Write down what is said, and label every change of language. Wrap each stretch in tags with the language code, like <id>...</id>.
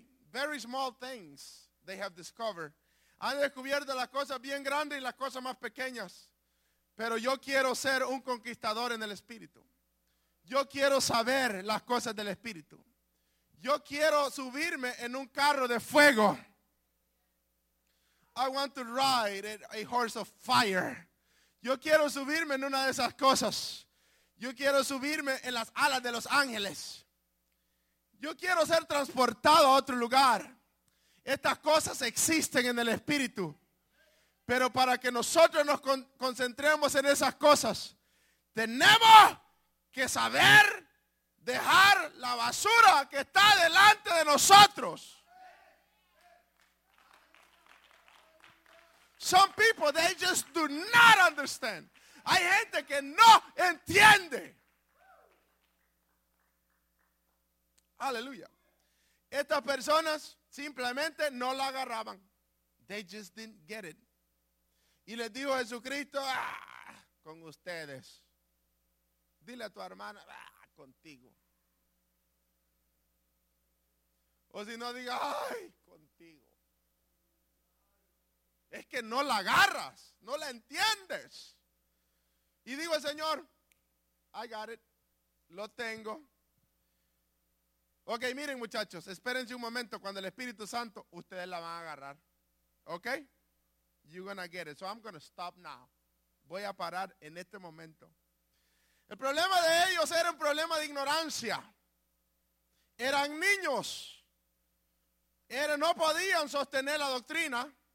<es>Very small things. They have discovered. Han descubierto las cosas bien grandes y las cosas más pequeñas. Pero yo quiero ser un conquistador en el espíritu. Yo quiero saber las cosas del espíritu. Yo quiero subirme en un carro de fuego.</es> <en>I want to ride a horse of fire.</en> <es>Yo quiero subirme en una de esas cosas. Yo quiero subirme en las alas de los ángeles. Yo quiero ser transportado a otro lugar. Estas cosas existen en el espíritu, pero para que nosotros nos concentremos en esas cosas, tenemos que saber dejar la basura que está delante de nosotros.</es> <en>Some people, they just do not understand.</en> <es>Hay gente que no entiende. Aleluya. Estas personas simplemente no la agarraban. They just didn't get it. Y les dijo Jesucristo, con ustedes. Dile a tu hermana, contigo. O si no, diga, ay, contigo. Es que no la agarras, no la entiendes. Y digo el Señor, I got it, lo tengo. Ok, miren muchachos, espérense un momento cuando el Espíritu Santo, ustedes la van a agarrar.</es> <en>Ok, you're gonna get it, so I'm gonna stop now.</en> <es>Voy a parar en este momento. El problema de ellos era un problema de ignorancia. Eran niños. No podían sostener la doctrina.</es>